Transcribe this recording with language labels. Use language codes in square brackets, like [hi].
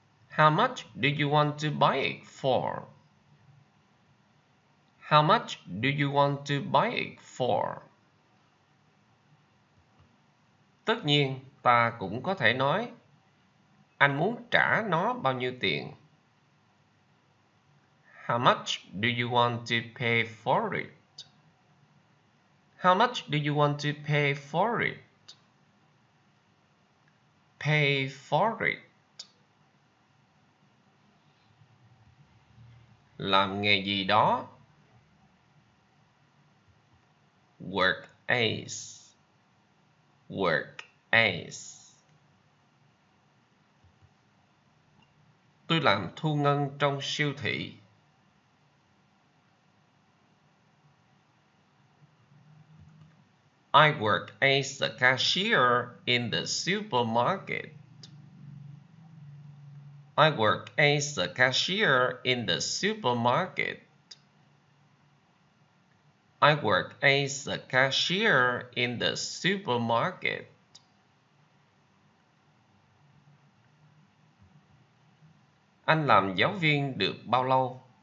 [en] How much do you want to buy it for? How much do you want to buy it for? [vi] Tất nhiên, ta cũng có thể nói anh muốn trả nó bao nhiêu tiền? [en] How much do you want to pay for it? How much do you want to pay for it? Pay for it. [vi] Làm nghề gì đó. [en] Work as. Work as. [vi] Tôi làm thu ngân trong siêu thị. [en] I work as a cashier in the supermarket. I work as a cashier in the supermarket. I work as a cashier in the supermarket. [vi] Anh làm giáo viên được bao lâu?